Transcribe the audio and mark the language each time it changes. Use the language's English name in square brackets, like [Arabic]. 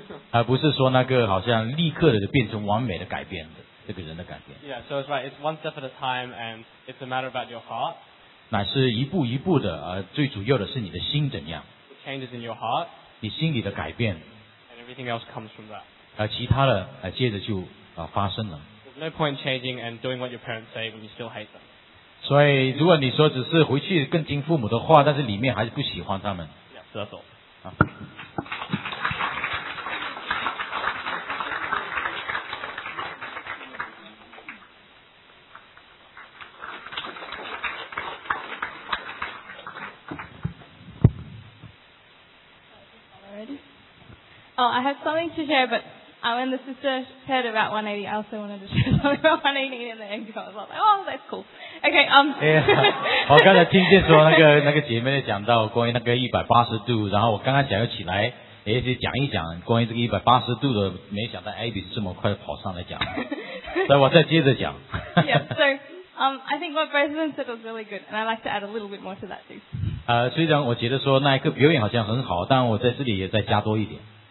[Chinese] 而不是说那个好像立刻的变成完美的改变的，这个人的改变。 [English] Yeah, so it's right. It's one step at a time, and it's a matter about your heart. [Chinese] 乃是一步一步的，最主要的是你的心怎样。 [English] It changes in your heart. [Chinese] 你心里的改变。 [English] And everything else comes from that. [Chinese] 其他的接着就发生了。 [English] There's no point changing and doing what your parents say when you still hate them. [Chinese] 所以如果你说只是回去跟听父母的话但是里面还是不喜欢他们 [English] yeah, so that's all. Oh, I have something to share, but when the sister shared about 180, I also wanted to share something about 180 in the anger. I was like, oh, that's cool. Okay, [Chinese] yeah, 我刚才听见说那个姐妹讲到关于那个180度，然后我刚刚讲又起来。也是讲一讲关于这个180度的，没想到Abby是这么快跑上来讲，所以我再接着讲。 [English] Yeah, so I think what both of them said was really good, and I'd like to add a little bit more to that too. [Chinese] 虽然我觉得说那一个表演好像很好，但我在这里也再加多一点。